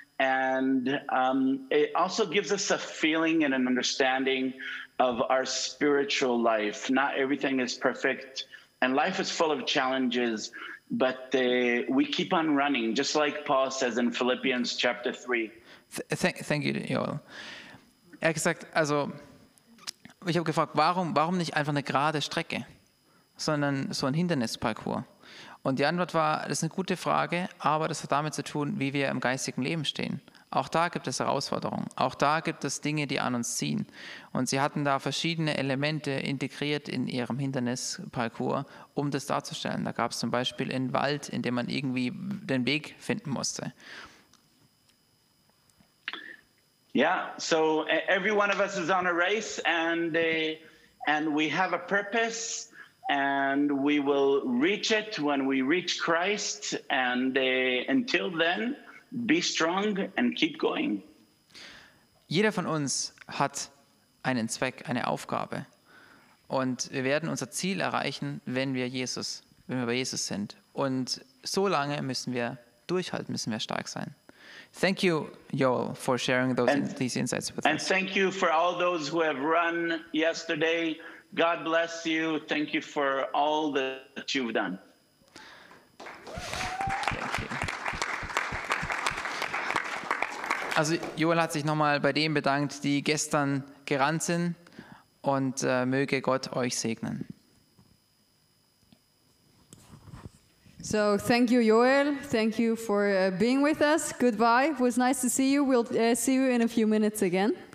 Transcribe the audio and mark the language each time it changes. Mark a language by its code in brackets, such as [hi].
[en] And it also gives us a feeling and an understanding of our spiritual life. Not everything is perfect, and life is full of challenges, but we keep on running, just like Paul says in Philippians chapter 3. Thank you, Joel. [de] Er hat gesagt, also, ich habe gefragt, warum nicht einfach eine gerade Strecke, sondern so ein Hindernisparcours? Und die Antwort war, das ist eine gute Frage, aber das hat damit zu tun, wie wir im geistigen Leben stehen. Auch da gibt es Herausforderungen. Auch da gibt es Dinge, die an uns ziehen. Und sie hatten da verschiedene Elemente integriert in ihrem Hindernisparcours, um das darzustellen. Da gab es zum Beispiel einen Wald, in dem man irgendwie den Weg finden musste. [en] Ja, so every one of us is on a race and we have a purpose. And we will reach it when we reach Christ. And until then, be strong and keep going. [de] Jeder von uns hat einen Zweck, eine Aufgabe. Und wir werden unser Ziel erreichen, wenn wir bei Jesus sind. Und so lange müssen wir durchhalten, müssen wir stark sein. [en] Thank you, Joel, for sharing these insights with us. And thank you for all those who have run yesterday. God bless you. Thank you for all that you've done. Thank you. [de] Also Joel hat sich nochmal bei denen bedankt, die gestern gerannt sind, und möge Gott euch segnen. [en] So thank you, Joel. Thank you for being with us. Goodbye. It was nice to see you. We'll see you in a few minutes again.